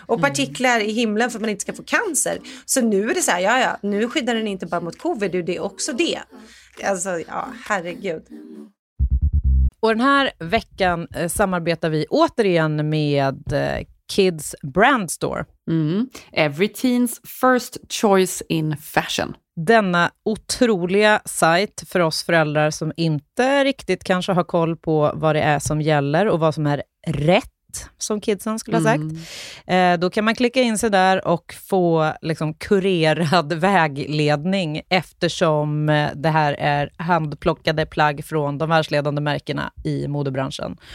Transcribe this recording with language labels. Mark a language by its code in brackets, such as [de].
[sv] Och partiklar i himlen för att man inte ska få cancer. Så nu är det så här, ja, nu skyddar den inte bara mot covid, det är också det. Alltså, ja, herregud. Och den här veckan samarbetar vi återigen med Kids Brand Store. Mm. [en] Every teen's first choice in fashion. [sv] Denna otroliga sajt för oss föräldrar som inte riktigt kanske har koll på vad det är som gäller och vad som är rätt, som kidsen skulle ha sagt. Då kan man klicka in sig där och få liksom kurerad vägledning, eftersom det här är handplockade plagg från de världsledande märkena i modebranschen.